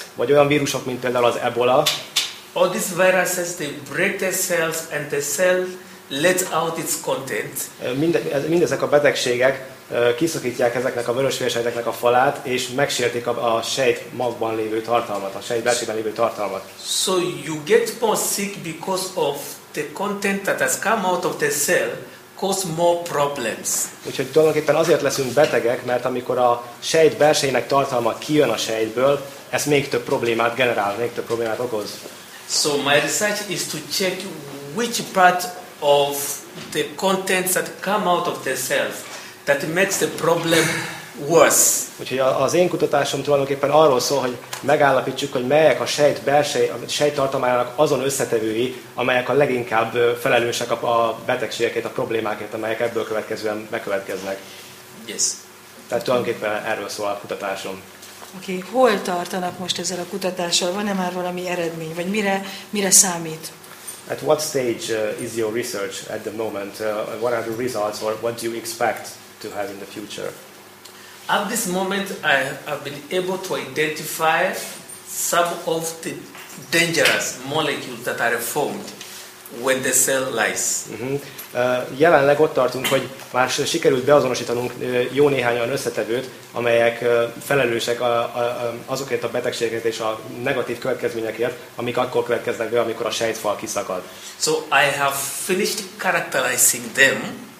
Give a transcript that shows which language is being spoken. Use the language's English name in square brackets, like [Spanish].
[Hungarian] Vagy olyan vírusok, mint például az Ebola. [English] All these viruses, they break the cells and the cell lets out its content. [Hungarian] Mindezek a betegségek kiszakítják ezeknek a vörös vérsejteknek a falát, és megsértik a sejt magban lévő tartalmat, a sejt belsejében lévő tartalmat. [English] So you get more sick because of the content that has come out of the cell cause more problems. [Hungarian] Úgyhogy tulajdonképpen azért leszünk betegek, mert amikor a sejt belsejének tartalma kijön a sejtből, ez még több problémát generál, még több problémát okoz. [English] So my research is to check which part of the contents that come out of the cells that makes the problem worse. [Hungarian] Úgyhogy az én kutatásom tulajdonképpen arról szól, hogy megállapítsuk, hogy melyek a sejt belsej, a sejt tartalmának azon összetevői, amelyek a leginkább felelősek a betegségekért, a problémákért, amelyek ebből következően megkövetkeznek. [English] Yes. [Hungarian] Tehát tulajdonképpen erről szól a kutatásom. Oké, okay. Hol tartanak most ezzel a kutatással? Van-e már valami eredmény? Vagy mire számít? [English] At what stage is your research at the moment? What are the results or what do you expect? to have in the future. At this moment, I have been able to identify some of the dangerous molecules that are formed when the cell lies. [Hungarian] Jelenleg ott tartunk, hogy már sikerült beazonosítanunk jó néhány olyan összetevőt, amelyek felelősek azokért a betegségekért és a negatív következményekért, amik akkor következnek be, amikor a sejtfal kiszakad. [English] So I have finished characterizing them.